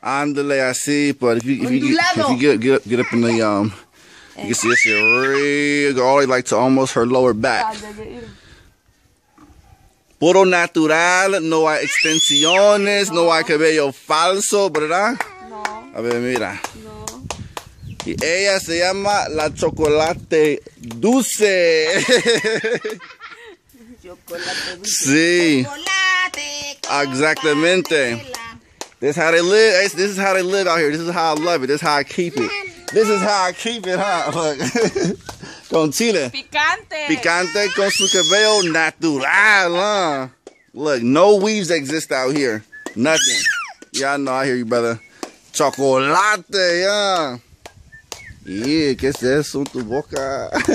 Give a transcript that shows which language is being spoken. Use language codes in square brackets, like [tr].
[es] Ándale así, [en] but if you get up in the you can see it's real good, like to almost her lower back. [es] Puro natural, no hay extensiones, no hay cabello falso, ¿verdad? No. A ver, mira. No. Y ella se llama la chocolate dulce. Chocolate dulce. Sí. Exactamente. [en] This is how they live out here. This is how I love it. This is how I keep it. This is how I keep it, huh? Look. [es] Con chile. Picante. Picante con su cabello natural, huh? [en] Look, no weaves exist out here. Nothing. Yeah, I know. I hear you, brother. Chocolate, yeah. [es] Yeah, ¿qué es eso en tu boca?